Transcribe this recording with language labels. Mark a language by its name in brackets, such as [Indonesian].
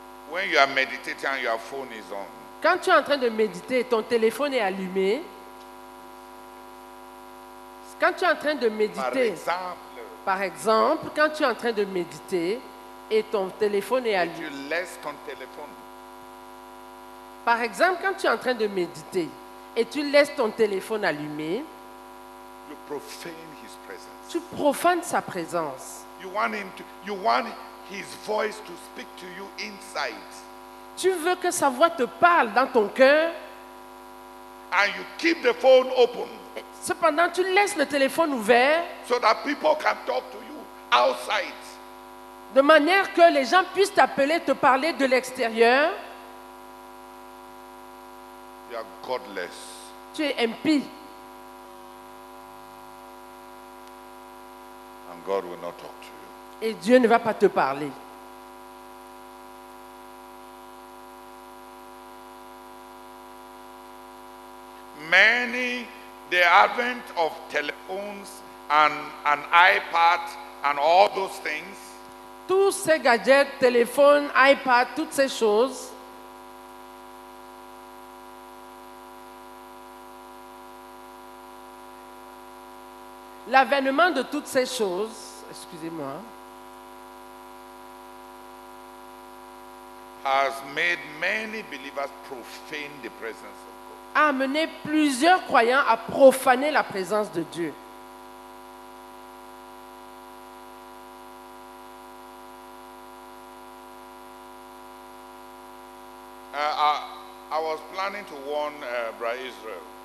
[English] When you are meditating and your phone is on. [French] Quand tu es en train de méditer, ton téléphone est allumé. Quand tu es en train de méditer, par exemple, quand tu es en train de méditer et ton téléphone est allumé. Tu laisses ton téléphone. Par exemple, quand tu es en train de méditer et tu laisses ton téléphone allumé, [English] you profane his presence. [French] Tu profanes sa présence. [English] You want him to, you want his voice to speak to you inside. [French] Tu veux que sa voix te parle dans ton cœur. [English] And you keep the phone open. [French] Cependant, tu laisses le téléphone ouvert. [English] So that people can talk to you outside. [French] De manière que les gens puissent t'appeler, te parler de l'extérieur. [English] You are godless. [French] Tu es impie. [English] And God will not talk to you. [French] Et Dieu ne va pas te parler. [English] Many, the advent of telephones and iPad and all those things. [French] Tous ces gadgets, téléphone, iPad, toutes ces choses. L'avènement de toutes ces choses, excusez-moi, [English] has made many believers profane the presence of God. [French] A amené plusieurs croyants à profaner la présence de Dieu. [English] I was planning to warn Brother Israel.